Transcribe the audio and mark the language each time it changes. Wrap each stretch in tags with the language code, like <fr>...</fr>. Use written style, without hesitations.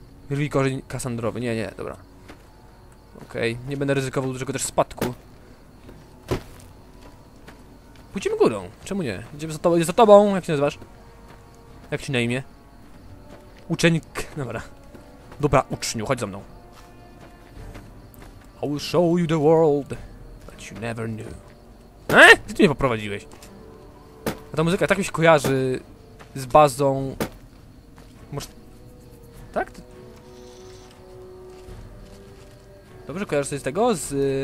<pl>Rwi korzeń kasandrowy, nie, nie, dobra. Okej, okay. Nie będę ryzykował dużego też spadku. Pójdziemy górą, czemu nie? Idziemy za tobą, jak się nazywasz? Jak ci na imię? Uczeń, dobra. Dobra, uczniu, chodź za mną.</pl> <en>I will show you the world that you never knew.</en> <pl>Gdzie ty mnie poprowadziłeś? A ta muzyka tak mi się kojarzy z bazą. Może. Tak? Dobrze kojarzy sobie z tego? Z.</pl>